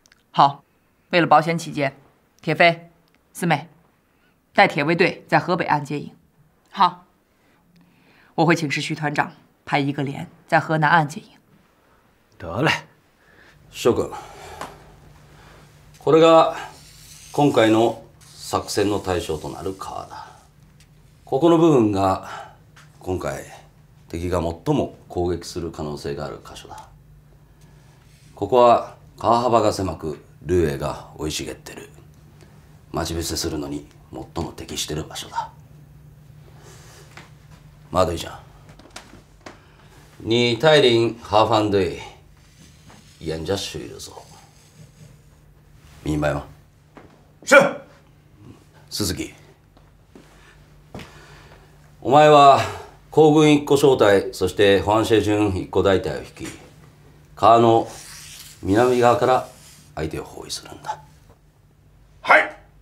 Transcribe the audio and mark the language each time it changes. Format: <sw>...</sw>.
<zh>好，为了保险起见，铁飞、四妹，带铁卫队在河北岸接应。好。我会请示徐团长，派一个连在河南岸接应。得嘞，</zh> <ja>諸君。これが今回の作戦の対象となる川だ。ここの部分が今回敵が最も攻撃する可能性がある箇所だ。ここは川幅が狭く、芦苇が生い茂ってる。待ち伏せするのに最も適してる場所だ。</ja> <zh>马队长，你带领哈方队沿着水路走，明白吗？是。</zh> <ja>鈴木，お前は航軍一個小隊、そして保安整順一個大隊を引き、川の南側から相手を包囲するんだ。はい。</ja>